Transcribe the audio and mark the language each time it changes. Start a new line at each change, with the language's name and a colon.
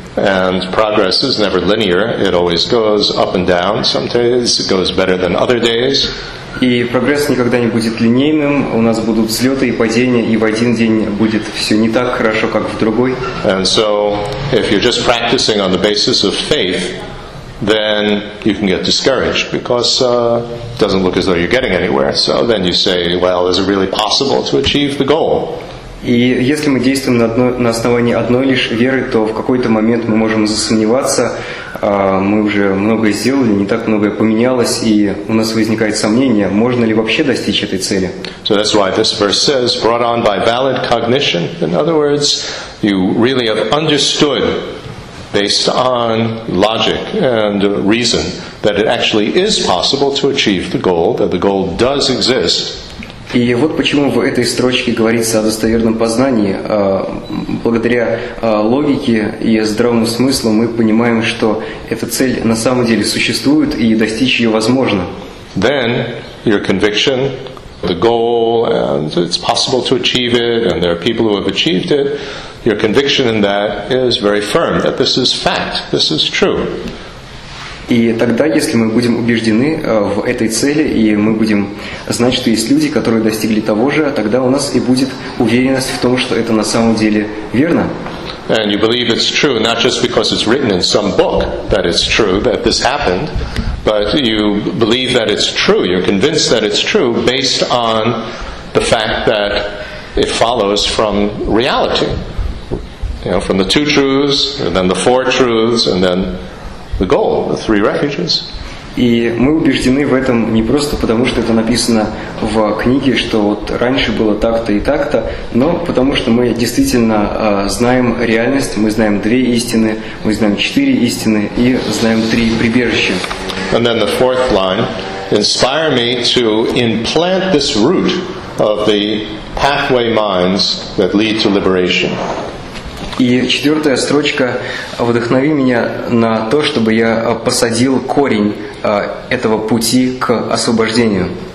English: And progress is never linear. It always goes up and down. Some days it goes better than other days.
Russian: И прогресс никогда не будет линейным. У нас будут взлеты и падения, и в один день будет все не так хорошо, как в другой.
English: And so, if you're just practicing on the basis of faith, then you can get discouraged because it doesn't look as though you're getting anywhere. So then you say, well, is it really possible to achieve the goal?
Russian: И если мы действуем на основании одной лишь веры, то в какой-то момент мы можем засомневаться, мы уже многое сделали, не так многое поменялось, и у нас возникает сомнение, можно ли вообще достичь этой цели.
English: So that's why this verse says, brought on by valid cognition. In other words, you really have understood based on logic and reason that it actually is possible to achieve the goal, that the goal does exist.
Russian: И вот почему в этой строчке говорится о достоверном познании. Благодаря логике и здравому смыслу мы понимаем, что эта цель на самом деле существует и достичь ее возможно.
English: Then your conviction, the goal, and it's possible to achieve it, and there are people who have achieved it, your conviction in that is very firm, that this is fact, this is true.
Russian: И тогда, если мы будем убеждены в этой цели, и мы будем знать, что есть люди, которые достигли того же, тогда у нас и будет уверенность в том, что это на самом деле верно.
English: And you believe it's true, not just because it's written in some book that it's true, that this happened, but you believe that it's true, you're convinced that it's true, based on the fact that it follows from reality. You know, from the two truths, and then the four truths, and then the goal, the three refuges.
Russian: И мы убеждены в этом не просто потому, что это написано в книге, что вот раньше было так-то и так-то, но потому что мы действительно знаем реальность, мы знаем две истины, мы знаем четыре истины и знаем три прибежища.
English: And then the fourth line, inspire me to implant this root of the pathway minds that lead to liberation.
Russian: И четвертая строчка: вдохнови меня на то, чтобы я посадил корень этого пути к освобождению.